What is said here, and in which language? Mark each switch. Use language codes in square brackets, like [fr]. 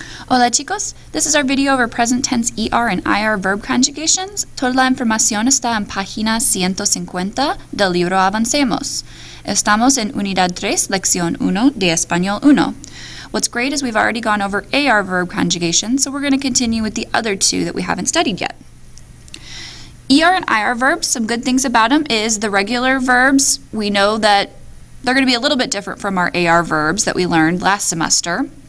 [es] Hola chicos, [en] this is our video over present tense ER and IR verb conjugations. [es] Toda la información está en página 150 del libro Avencemos. Estamos en unidad 3, lección 1 de español 1. [en] What's great is we've already gone over AR verb conjugations, so we're going to continue with the other two that we haven't studied yet. ER and IR verbs, some good things about them is the regular verbs, we know that they're going to be a little bit different from our AR verbs that we learned last semester.